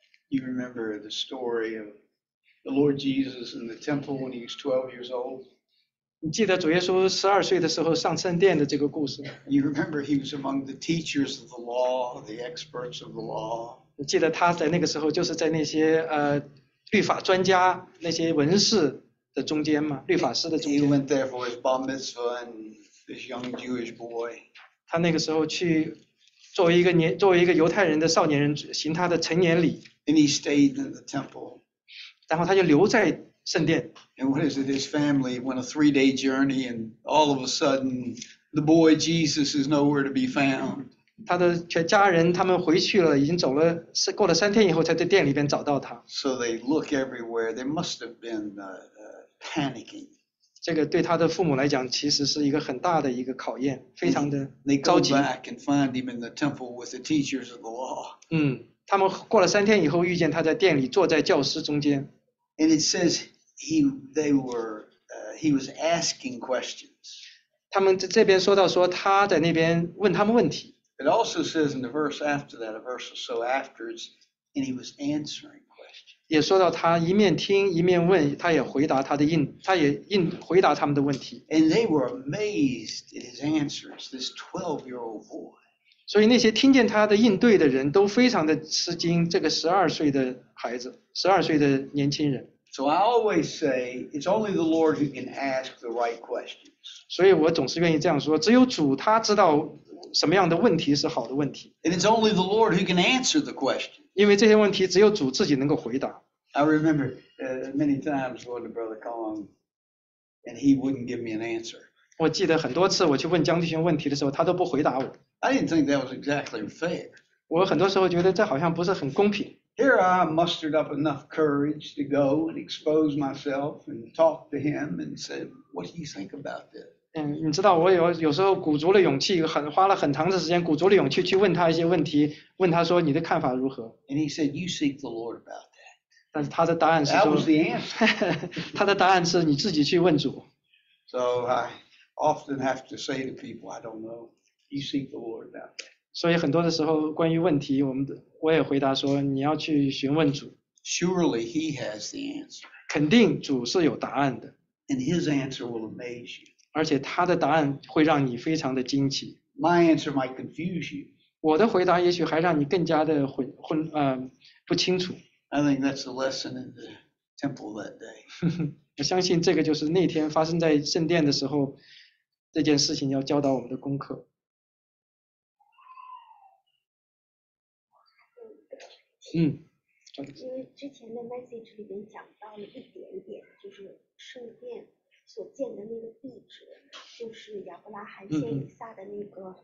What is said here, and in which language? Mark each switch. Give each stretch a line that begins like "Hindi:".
English: You remember the story of the Lord Jesus in the temple when he was 12 years old?
Chinese: 你记得主耶稣十二岁的时候上圣殿的这个故事吗？
English: You remember he was among the teachers of the law, the experts of the law.
Chinese: 你记得他在那个时候就是在那些律法专家那些文士的中间吗？律法师的中间。
English: He went there for his bar mitzvah and this young Jewish boy.
Chinese: 他那个时候去作为一个犹太人的少年人行他的成年礼。
English: And he stayed in the temple.
Chinese: 然后他就留在圣殿。
English: And what is it? His family went a three-day journey, and all of a sudden, the boy Jesus is nowhere to be found.
Chinese: 他的全家人他们回去了，已经走了，过了三天以后才在殿里边找到他。
English: So they look everywhere. They must have been panicking.
Chinese: 这个对他的父母来讲，其实是一个很大的一个考验，非常的着急。
English: They go back and find him in the temple with the teachers of the law.
Chinese: 他们过了三天以后遇见他在殿里坐在教师中间。
English: And it says he was asking questions.
Chinese: 他们这边说到说他在那边问他们问题。
English: It also says in the verse after that, a verse or so afterwards, and he was answering questions.
Chinese: 也说到他一面听一面问，他也回答他的应，他也应回答他们的问题。
English: And they were amazed at his answers, this 12-year-old boy.
Chinese: 所以那些听见他的应对的人都非常的吃惊，这个12岁的孩子，12岁的年轻人。
English: So I always say, it's only the Lord who can ask the right questions.
Chinese: 所以我总是愿意这样说，只有主他知道什么样的问题是好的问题。
English: And it's only the Lord who can answer the question.
Chinese: 因为这些问题只有主自己能够回答。
English: I remember many times going to Brother Kong, and he wouldn't give me an answer.
Chinese: 我记得很多次我去问江弟兄问题的时候，他都不回答我。
English: I didn't think that was exactly fair.
Chinese: 我很多时候觉得这好像不是很公平。
English: Here I mustered up enough courage to go and expose myself and talk to him and said, "What do you think about this?"
Chinese: 你知道我有时候鼓足了勇气，花了很长的时间鼓足了勇气去问他一些问题，问他说你的看法如何。
English: And he said, "You seek the Lord about that."
Chinese: 但是他的答案是
English: That was the answer.
Chinese: 他的答案是你自己去问主。
English: So I often have to say to people, "I don't know. You seek the Lord about that."
Chinese: 所以很多的时候关于问题，我们的我也回答说你要去询问主。
English: Surely he has the answer.
Chinese: 肯定主是有答案的。
English: And his answer will amaze you.
Chinese: 而且他的答案会让你非常的惊奇。
English: My answer might confuse you.
Chinese: 我的回答也许还让你更加的不清楚。
English: I think that's the lesson in the temple that day.
Chinese: 我相信这个就是那天发生在圣殿的时候这件事情要教导我们的功课。因为之前的 message 里面讲到了一点点，就是圣殿所建的那个地址，就是亚伯拉罕献以撒的那个